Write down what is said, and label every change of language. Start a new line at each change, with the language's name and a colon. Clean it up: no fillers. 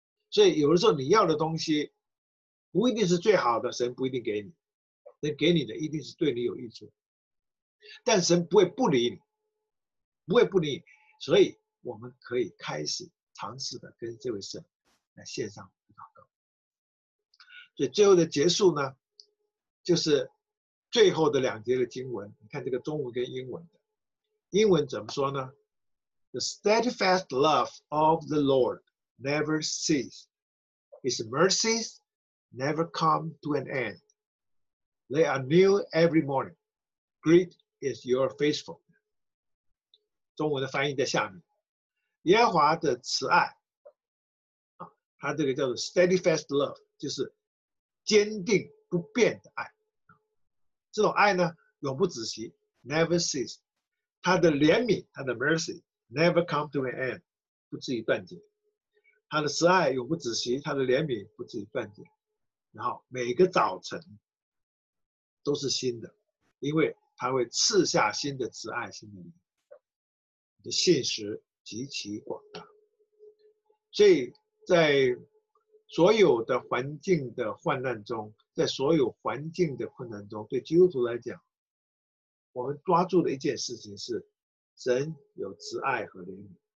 Chinese: 所以有的时候你要的东西不一定是最好的，神不一定给你，神给你的一定是对你有益处，但神不会不理你，不会不理你。所以我们可以开始尝试的跟这位神来献上祷告。所以最后的结束呢，就是最后的两节的经文，你看这个中文跟英文的，英文怎么说呢？
English: The steadfast love of the Lord never cease. His mercies never come to an end. They are new every morning. Great is your faithfulness.
Chinese: 中文的翻译在下面。耶和华的慈爱，他这个叫做 steadfast love，就是坚定不变的爱。这种爱呢，永不止息 ， never cease。
English: 他的怜悯，他的 mercy never come to an end，不至于断绝。
Chinese: 他的慈爱永不止息，他的怜悯不至于断绝。然后每个早晨都是新的，因为他会赐下新的慈爱、新的怜悯。你的信实极其广大，所以在所有的环境的患难中，在所有环境的困难中，对基督徒来讲，我们抓住的一件事情是神有慈爱和怜悯。